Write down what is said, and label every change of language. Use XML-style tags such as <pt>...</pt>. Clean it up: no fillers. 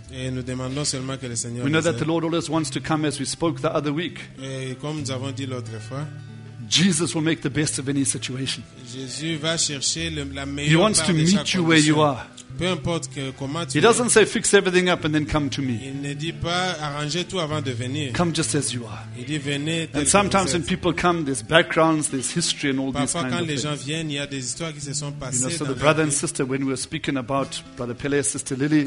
<fr>Et nous demandons seulement que le Seigneur</fr> <en>we know that the Lord always wants to come as we spoke the other week.</en> <fr>Et comme nous avons dit l'autre fois,</fr> <en>Jesus will make the best of any situation.</en> <fr>Jésus va chercher la meilleure.</fr> <en>He wants to meet you where you are.</en> <fr>Peu importe que, comment tu</fr> <en>he doesn't say fix everything up and then come to me.</en> <fr>Il ne dit pas arranger tout avant de venir.</fr> <en>Come just as you are.</en> <fr>Il dit venez.</fr> <en>And sometimes when people come, there's backgrounds, there's history and all these kinds of things.</en> <fr>Parfois quand les gens viennent, il y a des histoires qui se sont passées.</fr> <en>You know, so the brother and sister, when we were speaking about Brother Pele and Sister Lily,</en>